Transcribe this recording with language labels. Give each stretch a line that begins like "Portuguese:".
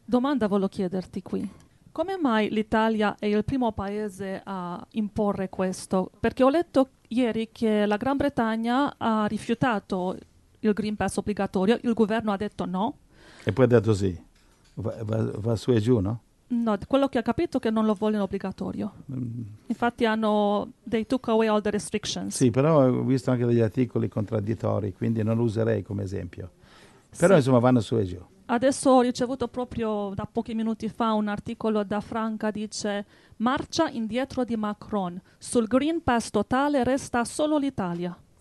Italian: Domanda voglio chiederti qui. Come mai l'Italia è il primo paese a imporre questo? Perché ho letto ieri che la Gran Bretagna ha rifiutato il Green Pass obbligatorio, il governo ha detto no. E poi ha detto sì. Va su e giù, no? No, quello che ho capito è che non lo vogliono obbligatorio. Infatti hanno
English: they took away all the restrictions.
Italian: Sì, però ho visto anche degli articoli contraddittori, quindi non lo userei come esempio. Però Sì. insomma vanno su e giù. Adesso ho ricevuto proprio da pochi minuti fa un articolo da Franca, dice marcia indietro di Macron. Sul Green Pass totale resta solo l'Italia.